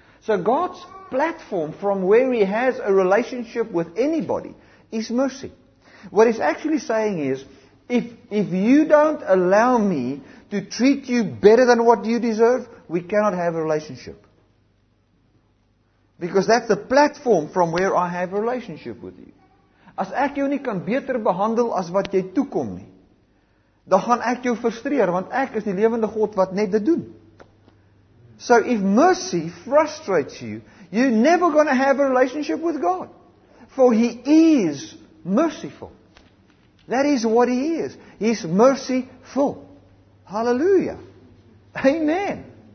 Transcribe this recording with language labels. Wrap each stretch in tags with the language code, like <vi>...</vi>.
<en>So God's platform from where He has a relationship with anybody is mercy. What it's actually saying is, if you don't allow me to treat you better than what you deserve, we cannot have a relationship. Because that's the platform from where I have a relationship with you.</en> <af>As ek jou nie kan beter behandel as wat jy toekom nie, dan gaan ek jou frustreer, want ek is die lewende God wat net dit doen.</af> <en>So if mercy frustrates you, you're never going to have a relationship with God. For He is merciful. That is what He is. He's merciful. Hallelujah. Amen.</en>